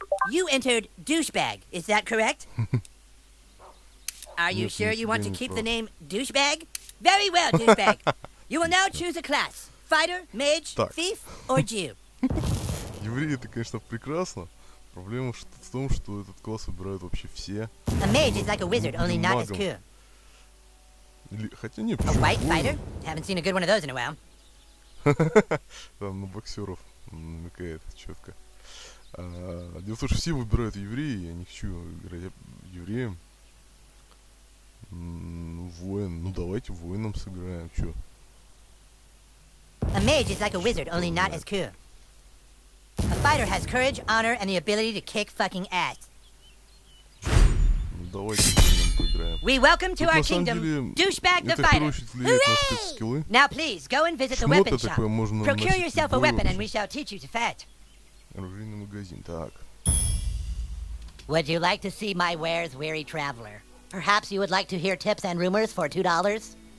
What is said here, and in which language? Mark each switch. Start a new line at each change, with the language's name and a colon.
English: You entered douchebag, is that correct? Are you sure you want to keep the name douchebag? Very well, douchebag. You will now choose a class. Fighter, mage, thief, or Jew.
Russian: Евреи, это, конечно, прекрасно. Проблема в том, что этот класс выбирают вообще все.
English: A mage is like a wizard, only not as cool.
Russian: Хотя нет, почему?
English: A white fighter? Haven't seen a good one of those in a while.
Russian: Там на боксеров намекает четко. Дело в том, что все выбирают евреи, я не хочу играть евреем. Воин, ну давайте воином сыграем, чё.
English: A mage is like a wizard, only not as cool. A fighter has courage, honor, and the ability to kick fucking ass.
Russian: Ну давайте воином поиграем.
English: We welcome to our kingdom, douchebag the fighter. Hooray! Now please, go and visit the weapon shop. Procure yourself a weapon and we shall teach you to fight.
Russian: Оружейный магазин, так.
English: Would you like to see my wares, weary traveler? Perhaps you would like to hear tips and rumors for $2?